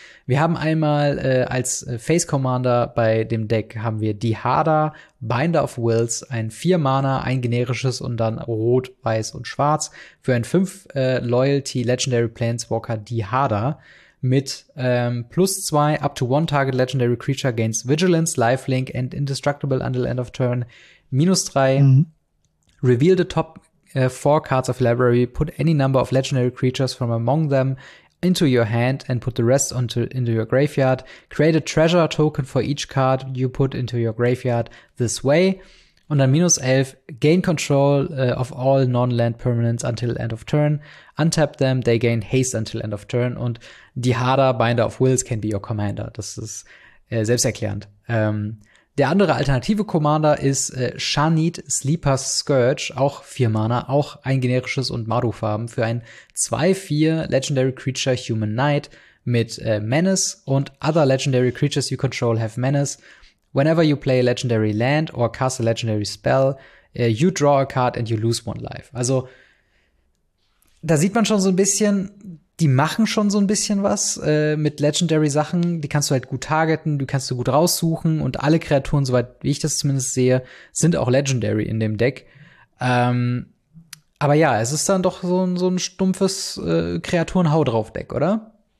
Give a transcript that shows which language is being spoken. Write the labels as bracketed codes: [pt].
[de] Wir haben einmal als Face Commander bei dem Deck haben wir die Dihada, Binder of Wills, ein 4-Mana, ein generisches und dann rot, weiß und schwarz für ein 5 Loyalty Legendary Planeswalker Dihada mit plus 2 [en] up to 1 target Legendary Creature gains Vigilance, Lifelink and Indestructible until end of turn, minus 3. Reveal the top 4 cards of library, put any number of legendary creatures from among them into your hand and put the rest into your graveyard. Create a treasure token for each card you put into your graveyard this way. [de] Und dann [en] minus 11, gain control of all non-land permanents until end of turn. Untap them, they gain haste until end of turn. Und Dihada, Binder of Wills, can be your commander. [de] Das ist selbsterklärend. Der andere alternative Commander ist Shanid Sleeper's Scourge, auch 4 Mana, auch ein generisches und Mardu-Farben für ein 2-4 Legendary Creature Human Knight mit Menace und [en] other Legendary Creatures you control have Menace. Whenever you play a Legendary Land or cast a Legendary Spell, you draw a card and you lose one life. [de] Also, da sieht man schon so ein bisschen, die machen schon so ein bisschen was mit Legendary-Sachen. Die kannst du halt gut targeten, die kannst du gut raussuchen. Und alle Kreaturen, soweit wie ich das zumindest sehe, sind auch Legendary in dem Deck. Aber ja, es ist dann doch so ein stumpfes Kreaturen-Hau-drauf-Deck, oder?